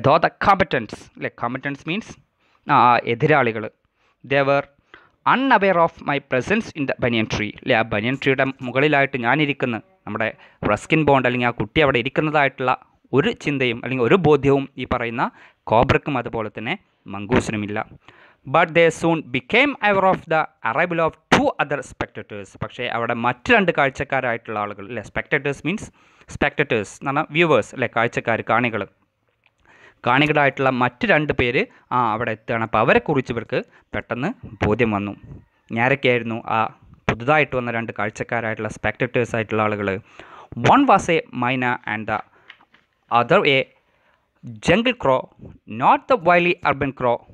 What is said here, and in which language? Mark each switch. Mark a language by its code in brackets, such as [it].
[ml] Though the competence അല്ലേ, competence means ആ എതിരാളികൾ, [en] they were unaware of my presence in the banyan tree [ml] അല്ലേ, ആ ബനിയൻ ട്രീയുടെ മുകളിലായിട്ട് ഞാനിരിക്കുന്നു, നമ്മുടെ റസ്കിൻ ബോണ്ട് അല്ലെങ്കിൽ ആ കുട്ടി അവിടെ ഇരിക്കുന്നതായിട്ടുള്ള ഒരു ചിന്തയും അല്ലെങ്കിൽ ഒരു ബോധ്യവും ഈ പറയുന്ന കോബ്രയ്ക്കും അതുപോലെ തന്നെ മംഗൂസിനുമില്ല. [en] But they soon became aware of the arrival of two other spectators. [ml] പക്ഷേ അവിടെ മറ്റ് രണ്ട് കാഴ്ചക്കാരായിട്ടുള്ള ആളുകൾ അല്ലെ, സ്പെക്ടേറ്റേഴ്സ് മീൻസ് സ്പെക്ടേറ്റേഴ്സ് എന്ന് പറഞ്ഞാൽ വ്യൂവേഴ്സ് അല്ലെ, കാഴ്ചക്കാർ, കാണികൾ, കാണികളായിട്ടുള്ള മറ്റ് രണ്ട് പേര് ആ അവിടെ എത്തുകയാണ്. അപ്പോൾ അവരെക്കുറിച്ച് ഇവർക്ക് പെട്ടെന്ന് ബോധ്യം വന്നു. ഞാരൊക്കെയായിരുന്നു ആ പുതുതായിട്ട് വന്ന രണ്ട് കാഴ്ചക്കാരായിട്ടുള്ള സ്പെക്ടേറ്റേഴ്സ് ആയിട്ടുള്ള ആളുകൾ. [en] One was a myna and the other a jungle crow, not the wily urban crow.